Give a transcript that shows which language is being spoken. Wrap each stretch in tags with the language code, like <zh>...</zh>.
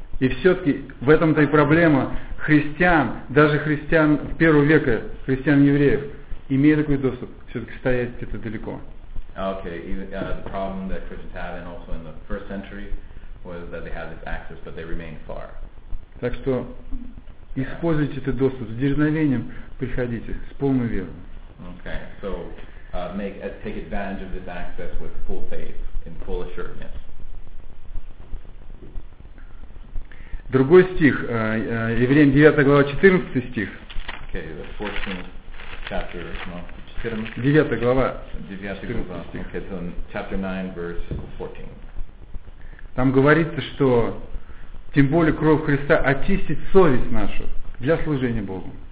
<ru>И все-таки в этом-то и проблема христиан, даже христиан первого века, христиан-евреев, имея такой доступ, все-таки стоять где-то далеко.</ru> <en>Okay, the problem that Christians had, and also in the first century, was that they had this access, but they remained far.</en> <ru>Так что используйте этот доступ с дерзновением, приходите с полной верой.</ru> <en>Okay, so take advantage of this access with full faith and full assuredness.</en> <ru>Другой стих, Евреям 9 глава 14 стих.</ru> <en>Okay, the 14th chapter, no, 14.</en> <ru>9 глава. 9 глава.</ru> <en>Okay, so chapter 9 verse 14.</en> <ru>Там говорится, что тем более кровь Христа очистит совесть нашу для служения Богу.</ru>